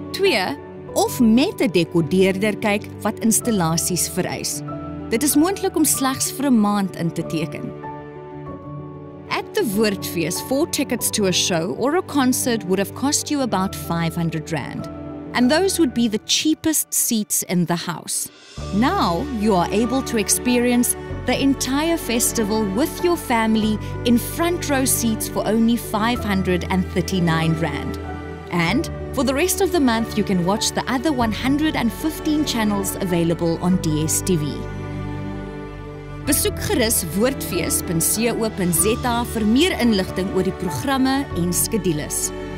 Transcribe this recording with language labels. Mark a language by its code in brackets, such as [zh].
[af] 2, of met 'n dekodeerder kyk wat installaties vereis. Dit is moontlik om slegs vir 'n maand in te teken. [en] At the Woordfees, 4 tickets to a show or a concert would have cost you about 500 rand. And those would be the cheapest seats in the house. Now you are able to experience the entire festival with your family in front row seats for only 539 rand. And for the rest of the month, you can watch the other 115 channels available on DSTV. [af] Besoek gerus woordfees.co.za vir meer inligting oor die programme en skedules.